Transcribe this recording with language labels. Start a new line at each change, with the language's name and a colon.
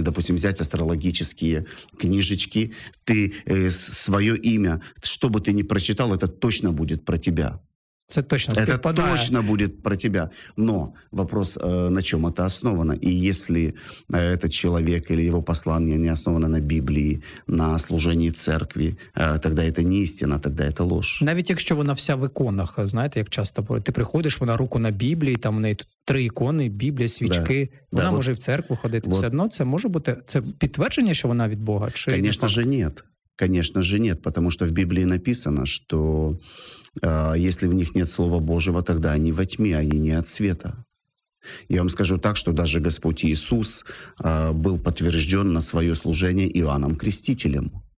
Russian: Допустим, взять астрологические книжечки, ты свое имя, что бы ты ни прочитал, это точно будет про тебя.
Ukrainian: Це точно
Russian: это совпадает. Точно будет про тебя. Но вопрос, на чем это основано. И если этот человек или его послание не основано на Библии, на служении церкви, тогда это не истина, тогда это ложь.
Ukrainian: Навіть якщо вона вся в иконах, знаете, як часто ти приходиш, вона руку на Біблії, там в неї три ікони, Біблія, свічки, да, вона да, може вот, і в церкву ходити. Вот. Все одно це може бути, це підтвердження, що вона від Бога? Чи
Russian: конечно же, нет. Конечно же, нет, потому что в Библии написано, что если в них нет Слова Божьего, тогда они во тьме, они не от света. Я вам скажу так, что даже Господь Иисус был подтвержден на свое служение Иоанном Крестителем.